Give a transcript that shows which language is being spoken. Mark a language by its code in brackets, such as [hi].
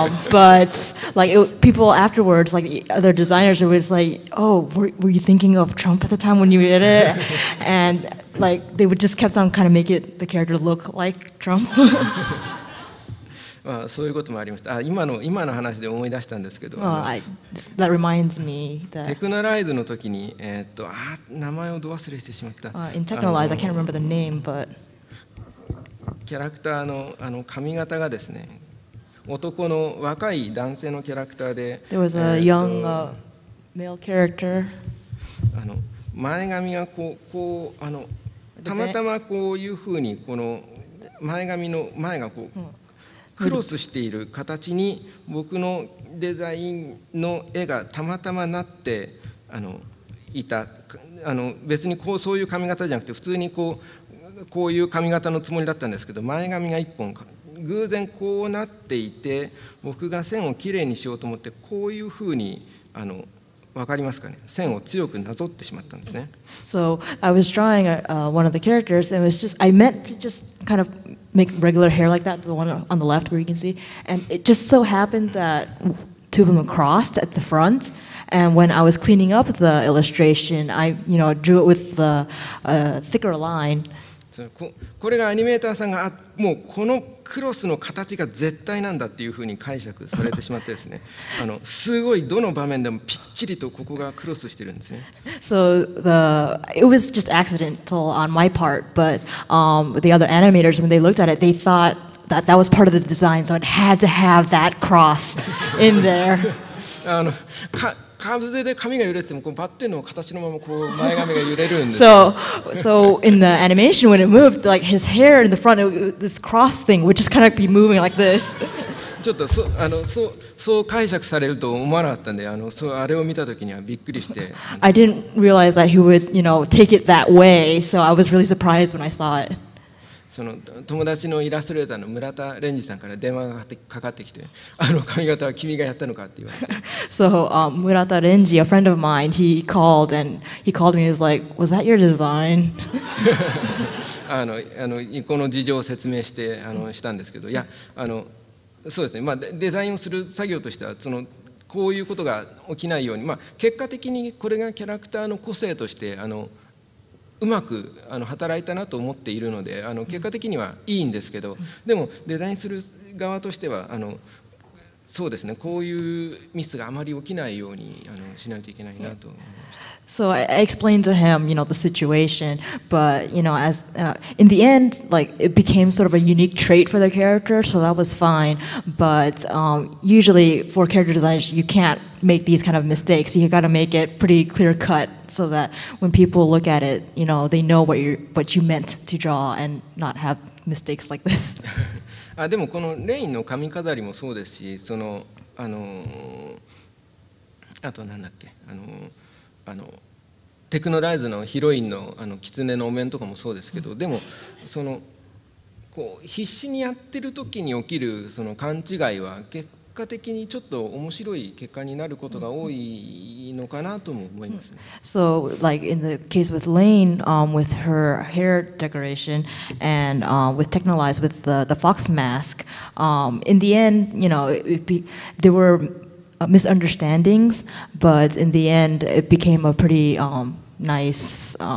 [en] But like people afterwards, like other designers, it was like, oh, were you thinking of Trump at the time when you did it? And like they would just kept on kind of make it the character look like Trump. [ja] まあそういうこともありました。あ、今の話で思い出したんですけど、 [en] that reminds me that [ja] テクノライズの時に、あ、名前をど忘れしてしまった。 [en] In Technolize, I can't remember the name, but [ja] キャラクターの、あの髪型がですね、男の若い男性のキャラクターで、 [en] There was a young male character. [ja] あの前髪がこうあのたまたまこういうふうにこの前髪の前がこう、クロスしている形に僕のデザインの絵がたまたまなって、あのいた、あの別にこうそういう髪型じゃなくて普通にこういう髪型のつもりだったんですけど、前髪が一本偶然こうなっていて、僕が線をきれいにしようと思ってこういうふうに、あの分かりますかね、線を強くなぞってしまったんですね。 [en] So I was drawing one of the characters, and it was just, I meant to just kind of make regular hair like that, the one on the left where you can see, and it just so happened that two of them crossed at the front, and when I was cleaning up the illustration, I, you know, drew it with the thicker line. [ja] So, これがアニメーターさんが、あ、もうこのクロスの形が絶対なんだっていうふうに解釈されてしまってですね、あのすごいどの場面でもぴっちりとここがクロスしてるんですね。 [en] So it was just accidental on my part, but the other animators, when they looked at it, they thought that that was part of the design, so it had to have that cross in there. [ja] あの風で髪が揺れてても、こうバッテンの形のままこう前髪が揺れるんです。 [en] So in the animation, when it moved, like his hair in the front, this cross thing would just kind of be moving like this. [ja] ちょっとそう解釈されると思わなかったんで、あのそうあれを見た時にはびっくりして。 [en] I didn't realize that he would, you know, take it that way. So I was really surprised when I saw it. [ja] その友達のイラストレーターの村田蓮司さんから電話がかかってきて、あの髪型は君がやったのかって言われて。 [en] So, 村田蓮司, a friend of mine, he called me and was like, was that your design? [ja] あのこの事情を説明して、あのしたんですけど、いや、あのそうですね、まあ、デザインをする作業としては、そのこういうことが起きないように、まあ、結果的にこれがキャラクターの個性として、あのうまくあの働いたなと思っているので、あの結果的にはいいんですけど、でもデザインする側としては、あのそうですね、こういうミスがあまり起きないようにあのしないといけないなと思いました。 [en] So I explained to him, you know, the situation, but you know, as in the end, like it became sort of a unique trait for the character, so that was fine. But usually for character designs, you can't make these kind of mistakes. You got to make it pretty clear cut so that when people look at it, you know, they know what you meant to draw and not have mistakes like this. [ja] あ、でもこのレインの髪飾りもそうですし、そのあのあとなんだっけ、あのテクノライズのヒロインのあの狐のお面とかもそうですけど、でもそのこう必死にやってる時に起きるその勘違いは結果的にちょっと面白い結果になることが多いのかなとも思いますね。 [en] So, like in the case with Lane, with her hair decoration and with technolized with the fox mask, in the end, you know, there were misunderstandings, but in the end, it became a pretty nice.